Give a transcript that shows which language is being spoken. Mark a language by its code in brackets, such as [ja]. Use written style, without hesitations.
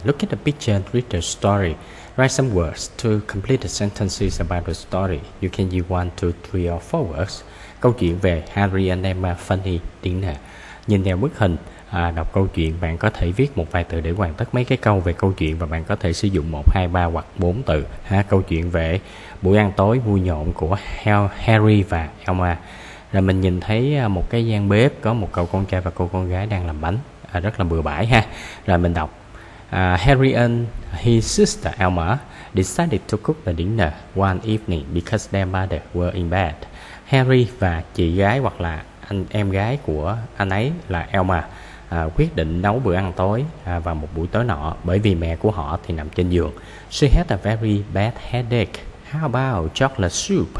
[en] Look at the picture and read the story. Write some words to complete the sentences about the story. You can use 1, 2, 3 or 4 words. [vi] Câu chuyện về Harry and Emma Funny Dinner. Nhìn theo bức hình, đọc câu chuyện, bạn có thể viết một vài từ để hoàn tất mấy cái câu về câu chuyện và bạn có thể sử dụng 1, 2, 3 hoặc 4 từ. Ha, câu chuyện về buổi ăn tối vui nhộn của Harry và Emma. Rồi mình nhìn thấy một cái gian bếp có một cậu con trai và cô con gái đang làm bánh. Rất là bừa bãi ha. Rồi mình đọc. [en] Harry and his sister Emma decided to cook the dinner one evening because their mother were in bed. [vi] Harry và chị gái hoặc là em gái của anh ấy là Emma quyết định nấu bữa ăn tối vào một buổi tối nọ bởi vì mẹ của họ thì nằm trên giường. [en] She had a very bad headache. How about chocolate soup?